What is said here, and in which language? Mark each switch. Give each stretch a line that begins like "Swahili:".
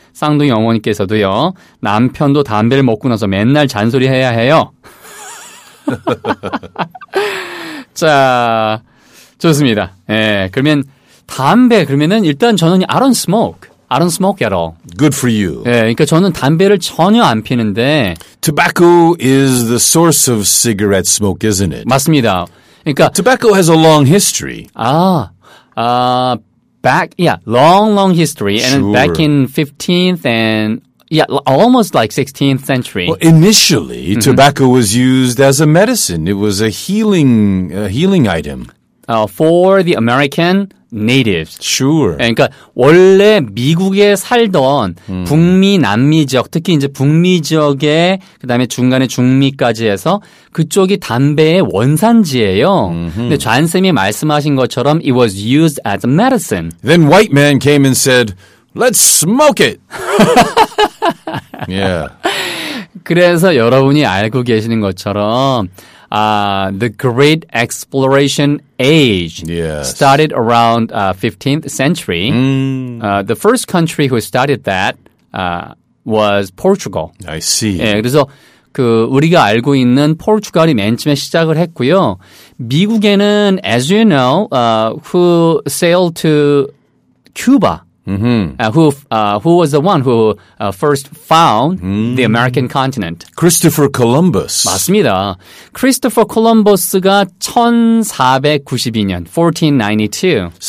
Korean: 쌍둥이 어머니께서도요. 남편도 담배를 먹고 나서 맨날 잔소리해야 해요. 자, 좋습니다. 예, 그러면 담배 그러면은 일단 저는
English: I don't smoke at all. Good for you.
Korean: 예, 그러니까 저는 담배를 전혀 안 피는데.
English: Tobacco is the source of cigarette smoke, isn't it?
Korean: 맞습니다. 그러니까
English: tobacco has a long history. Long history. And sure. back in 15th and yeah, almost like 16th century. Well, initially, mm-hmm. tobacco was used as a medicine. It was a healing item. For the American natives. Sure.
Korean: 그러니까 원래 미국에 살던 북미, 남미 지역, 특히 이제 북미 지역에 그다음에 중간에 중미까지 해서 그쪽이 담배의 원산지예요. Mm-hmm. 근데 잔쌤이 말씀하신 것처럼
English: it was used as a medicine. Then white man came and said, "Let's smoke it." yeah.
Korean: 그래서 여러분이 알고 계시는 것처럼
English: the great exploration age yes. started around 15th century. Mm. The first country who started that was Portugal. I see.
Korean: 예, 그래서 그 우리가 알고 있는 포르투갈이 맨 처음에 시작을 했고요. 미국에는
English: as you know, who sailed to Cuba. Who was the one who first found the American continent? Christopher Columbus.
Korean: 맞습니다. Christopher Columbus가 1492년, 1492.